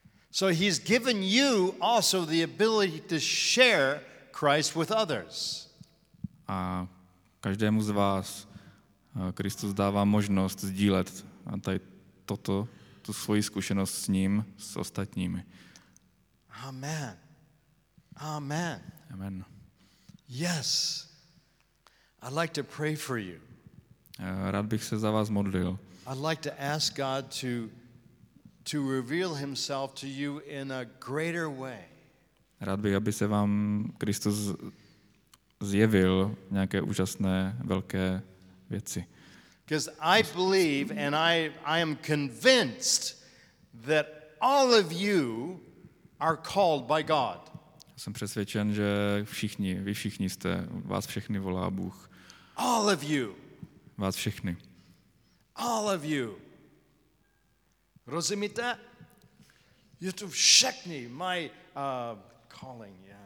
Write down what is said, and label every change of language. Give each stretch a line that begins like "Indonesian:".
English: So he's given you also the ability to share Christ with others.
Czech: A každému z vás Kristus dává možnost sdílet tady toto, tu svoji zkušenost s ním, s ostatními. Amen. Amen. Amen.
English: Yes. I'd like to pray for you.
Czech: Rád bych se za vás modlil.
English: I'd like to ask God to reveal himself to you in a greater way.
Czech: Rád bych, aby se vám Kristus zjevil nějaké úžasné velké věci.
English: Because I believe and I am convinced that all of you are called by God.
Czech: Jsem přesvědčen, že všichni, vy všichni jste, vás všechny volá Bůh.
English: All of you.
Czech: Vás všechny.
English: All of you.
Czech: Rozumíte? Je to všechny,
English: my calling.